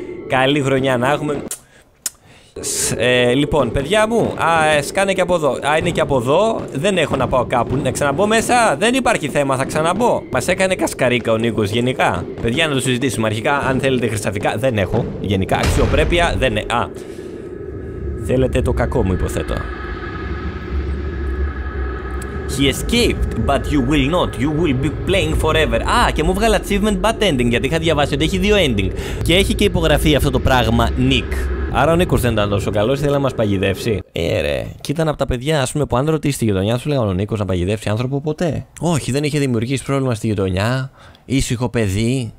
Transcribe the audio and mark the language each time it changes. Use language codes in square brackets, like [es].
[el] Καλή χρονιά να έχουμε. Λοιπόν, παιδιά μου, σκάνε και από εδώ. Είναι και από εδώ. Δεν έχω να πάω κάπου. Να ξαναμπω μέσα. Δεν υπάρχει θέμα, θα ξαναμπω. Μας έκανε κασκαρίκα ο Νίκος γενικά. Παιδιά, να το συζητήσουμε αρχικά. Αν θέλετε χρυσταφικά, δεν έχω. Γενικά, αξιοπρέπεια, δεν είναι. Θέλετε το κακό μου, υποθέτω. [en] He escaped, but you will not. You will be playing forever. [el] Και μου βγάλε achievement bad ending, γιατί είχα διαβάσει ότι έχει δύο ending. Και έχει και υπογραφή αυτό το πράγμα, Nick. Άρα ο Νίκος δεν ήταν τόσο καλός, ήθελε να μας παγιδεύσει. Ρε. Και ήταν από τα παιδιά, ας πούμε, που αν ρωτήσει τη γειτονιά, σου λέγανε ο Νίκος να παγιδεύσει άνθρωπο ποτέ. Όχι, δεν είχε δημιουργήσει πρόβλημα στη γειτονιά. Ήσυχο παιδί.